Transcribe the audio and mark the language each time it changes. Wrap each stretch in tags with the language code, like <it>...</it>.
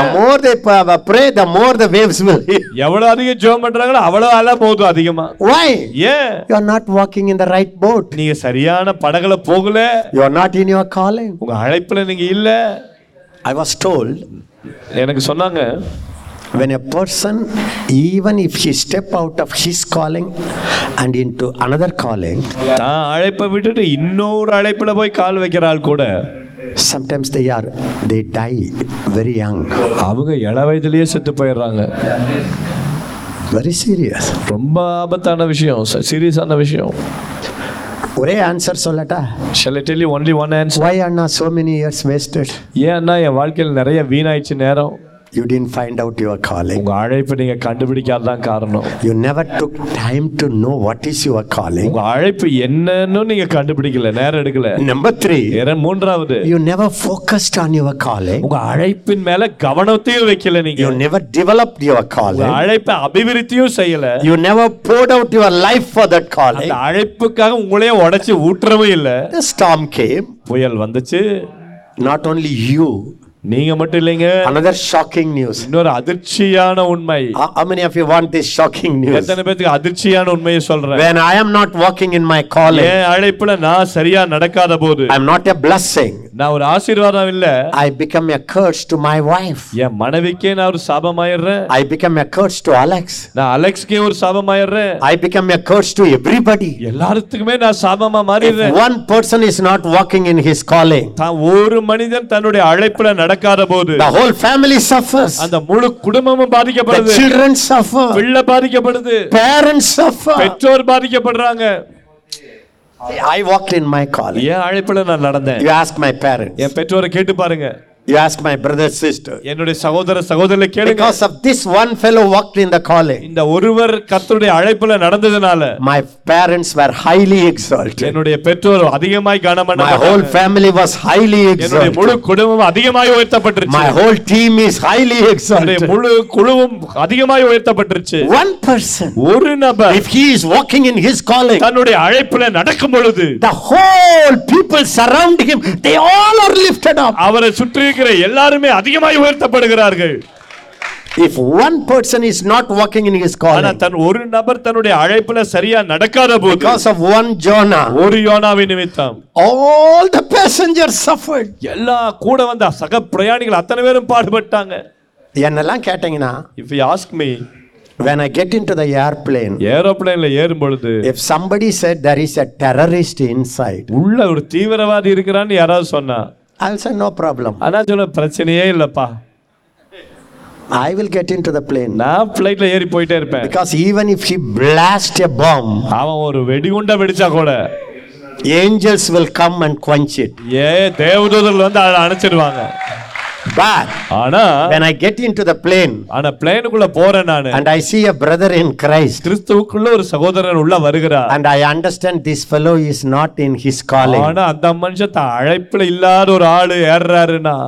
<en>The more they pray, the more the waves will.</en> <ta>எவ்வளவு அதிக ஜெபம் பண்றங்களோ அவ்வளவு அல போகுது அதிகமா.</ta> <en>Why? Yeah. You are not walking in the right boat.</en> <ta>நீங்க சரியான படகுல போகல.</ta> <en>You are not in your calling.</en> <ta>உங்க அழைப்புல நீங்க இல்ல.</ta> <en>I was told.</en> <ta>எனக்கு சொன்னாங்க,</ta> <en>when a person, even if he step out of his calling and into another calling,</en> <ta>அழைப்ப விட்டுட்டு இன்னொரு அழைப்புல போய் கால் வைக்கிற ஆள் கூட,</ta> <en>sometimes they die very young.</en> <ta>அவங்க இள வயதுலயே செத்து போயிடுறாங்க.</ta> <en>Very serious.</en> <ta>ரொம்ப ஆபத்தான விஷயம், சீரியஸான விஷயம். ஒரே ஆன்சர் சொல்லட்டா?</ta> <en>Shall I tell you only one answer? Why anna so many years wasted?</en> <ta>ஏன் அண்ணா என் வாழ்க்கையில் நிறைய வீணாயிச்சு நேரம்?</ta> <en>You didn't find out your calling.</en> <ta>உங்க அழைப்பு நீங்க கண்டுபிடிக்காத தான் காரணம்.</ta> <en>You never took time to know what is your calling.</en> <ta>உங்க அழைப்பு என்னன்னு நீங்க கண்டுபிடிக்கல, நேரம் எடுக்கல.</ta> <en>Number 3.</en> <ta>இரண்டு மூன்றாவது.</ta> <en>You never focused on your calling.</en> <ta>உங்க அழைப்பின் மேல கவனத்தையும் வைக்கல நீங்க.</ta> <en>You never developed your calling.</en> <ta>உங்க அழைப்பை அபிவிருத்தியும் செய்யல.</ta> <en>You never poured out your life for that calling.</en> <ta>அந்த அழைப்புக்காக உங்களே உடைச்சு ஊற்றவே இல்ல.</ta> <en>The storm came.</en> <ta>புயல் வந்துச்சு.</ta> <en>Not only you.</en> <ta>நீங்க மட்டும் இல்லீங்க.</ta> <en>Another shocking news.</en> <ta>இன்னொரு அதிர்ச்சியான உண்மை.</ta> <en>How many of you want this shocking news?</en> <ta>எத்தனை பேருக்கு அதிர்ச்சியான உண்மையை சொல்றேன்?</ta> <en>When I am not walking in my calling.</en> <ta>ஏ அழைப்புல நான் சரியா நடக்காத போது.</ta> <en>I am not a blessing.</en> <ta>நான் ஒரு ஆசீர்வாதம் இல்ல.</ta> <en>I become a curse to my wife.</en> <ta>என் மனைவிக்கே நான் ஒரு சாபமாயிடுறேன்.</ta> <en>I become a curse to Alex.</en> <ta>நான் அலெக்ஸ்க்கே ஒரு சாபமாயிடுறேன்.</ta> <en>I become a curse to everybody.</en> <ta>எல்லாருக்குமே நான் சாபமா மாறிடுறேன்.</ta> <en>One person is not walking in his calling.</en> <ta>தான் ஒரு மனிதன் தன்னுடைய அழைப்புல நடக்காத போது.</ta> <en>The whole family suffers.</en> <ta>அந்த முழு குடும்பமும் பாதிக்கப்படுது.</ta> <en>The children suffer.</en> <ta>பிள்ளை பாதிக்கப்படுது.</ta> <en>Parents suffer.</en> <ta>பெற்றோர் பாதிக்கப்படுறாங்க.</ta> <en>I walked in my calling.</en> <ta>ஏ அழைப்புல நான் நடந்தேன்.</ta> <en>You ask my parents.</en> <ta>என் பெற்றோரை கேட்டு பாருங்க.</ta> <en>You ask my brother sister.</en> <ta>என்னுடைய சகோதர சகோதரிகளை கேளுங்க.</ta> <en>Because of this one fellow walked in the calling.</en> <ta>இந்த ஒருவர் கர்த்தருடைய அழைப்புல நடந்ததனால.</ta> <en>My parents were highly exalted.</en> <ta>என்னுடைய பெற்றோர் அதிகமாய் கனமானார்கள்.</ta> <en>My whole family was highly exalted.</en> <ta>என்னுடைய முழு குடும்பமும் அதிகமாய் உயர்த்தப்பட்டிருச்சு.</ta> <en>My whole team is highly exalted.</en> <ta>என்னுடைய முழு குழுவும் அதிகமாய் உயர்த்தப்பட்டிருச்சு.</ta> <en>One person.</en> <ta>ஒரு நபர்.</ta> <en>If he is walking in his calling.</en> <ta>தன்னுடைய அழைப்புல நடக்கும் பொழுது.</ta> <en>The whole people surround him. They all are lifted up.</en> <ta>அவரை சுற்றி எல்லாருமே அதிகமாய் உயர்த்தப்படுகிறார்கள்.</ta> <en>If one person is not walking in his calling.</en> <ta>அதன் ஒரு நபர் தன்னுடைய அழைப்புல சரியா நடக்காத போது.</ta> <en>Because of one Jonah.</en> <ta>ஒரு யோனாவின் நிமித்தம்.</ta> <en>All the passengers suffered.</en> <ta>எல்லா கூட வந்த சக பிரயாணிகள் அத்தனை பேரும் பாடுபட்டாங்க. என்னெல்லாம் கேட்டிங்னா?</ta> <en>If you ask me. When I get into the airplane.</en> <ta>ஏரோப்ளேன்ல ஏறும் பொழுது.</ta> <en>If somebody said there is a terrorist inside.</en> <ta>உள்ள ஒரு தீவிரவாதி இருக்கறான்னு யாராவது சொன்னா.</ta> <en>I'll say no problem.</en> <ta>ஆனா சொன்ன பிரச்சனையே இல்லப்பா.</ta> <en>I will get into the plane.</en> <ta>நான் ஃப்ளைட்ல ஏறி போயிட்டே இருப்பேன்.</ta> <en>Because even if he blast a bomb.</en> <ta>அவன் ஒரு வெடிகுண்ட வெடிச்சா கூட.</ta> <en>Angels will come and quench it.</en> <ta>ஏ தேவதூதர்கள் வந்து அதை அணைச்சிடுவாங்க.</ta> <en>But when I get into the plane.</en> <ta>ஆனா ப்ளேனுக்குள்ள போறேன் நான்.</ta> <en>And I see a brother in Christ.</en> <ta>கிறிஸ்துவுக்குள்ள ஒரு சகோதரன் உள்ள வருகிறார்.</ta> <en>And I understand this fellow is not in his calling.</en> <ta>ஆனா அந்த மனுஷன் தான் அழைப்புல இல்லாத ஒரு ஆளு ஏறறாருனா.</ta>